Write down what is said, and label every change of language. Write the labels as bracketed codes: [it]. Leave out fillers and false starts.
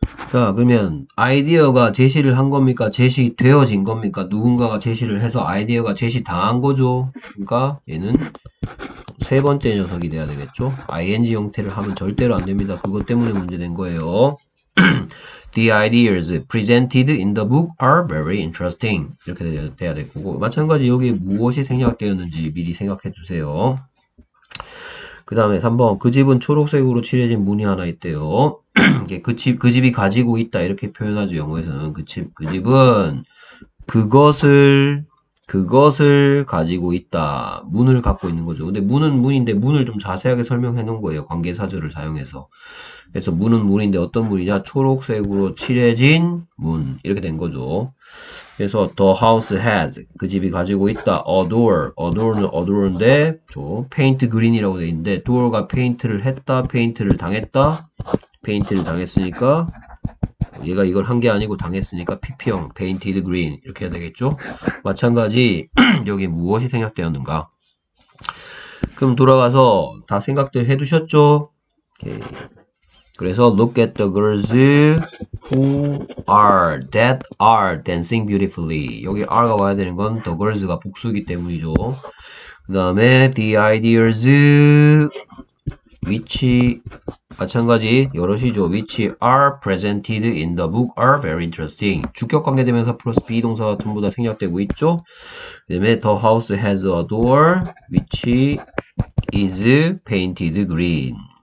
[ko] 자, 그러면 아이디어가 제시를 한 겁니까? 제시되어진 겁니까? 누군가가 제시를 해서 아이디어가 제시당한 거죠. 그러니까 얘는 세 번째 녀석이 돼야 되겠죠. ing 형태를 하면 절대로 안 됩니다. 그것 때문에 문제된 거예요. [en] The ideas presented in the book are very interesting. [ko] 이렇게 돼야 될 거고. 마찬가지 여기 무엇이 생략되었는지 미리 생각해 두세요. 그 다음에 3번. 그 집은 초록색으로 칠해진 문이 하나 있대요. 그 집이 가지고 있다. 이렇게 표현하죠. 영어에서는. 그 집은 그것을 가지고 있다. 문을 갖고 있는 거죠. 근데 문은 문인데 문을 좀 자세하게 설명해 놓은 거예요. 관계사절을 사용해서. 그래서 문은 문인데 어떤 문이냐? 초록색으로 칠해진 문. 이렇게 된 거죠. 그래서 [en] the house has. [ko] 그 집이 가지고 있다. [en] a door. [ko] a door는 a door인데, 저 paint green이라고 돼 있는데, door가 페인트를 했다. 페인트를 당했다. 페인트를 당했으니까. 얘가 이걸 한게 아니고 당했으니까 PP형, [en] painted green [ko] 이렇게 해야 되겠죠? 마찬가지 여기 무엇이 생략되었는가? 그럼 돌아가서 다 생각들 해두셨죠? 오케이. [en] 그래서 look at the girls who are that are dancing beautifully. [ko] 여기 are가 와야 되는 건 the girls가 복수이기 때문이죠. 그다음에 [en] the ideas which [ko] 마찬가지 여럿이죠. [en] Which are presented in the book are very interesting. [ko] 주격 관계대명사 플러스 비동사 전부 다 생략되고 있죠. [en] 그다음에 the house has a door which is painted green.